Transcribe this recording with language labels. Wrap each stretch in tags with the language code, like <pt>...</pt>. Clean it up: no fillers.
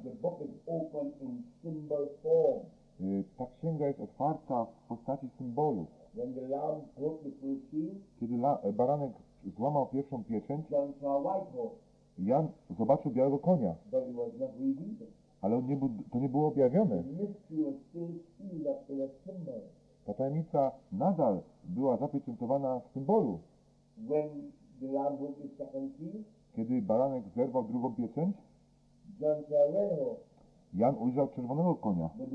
<en>the book is open in symbol form.</en> <pl>ta księga jest otwarta w postaci symbolu.</pl> <en>When the lamb broke the first seal,</en> <pl>kiedy baranek złamał pierwszą pieczęć,</pl> <en>John saw a white horse.</en> <pl>Jan zobaczył białego konia.</pl> <en>But it was not revealed.</en> <pl>Ale on nie, to nie było objawione.</pl> <en>The mystery was still sealed up in a symbol.</en> <pl>Ta tajemnica nadal była zapieczętowana w symbolu.</pl> <en>When the lamb broke the second seal,</en> <pl>kiedy baranek zerwał drugą pieczęć,</pl> <en>John saw a red horse.</en> <pl>Jan ujrzał czerwonego konia.</pl>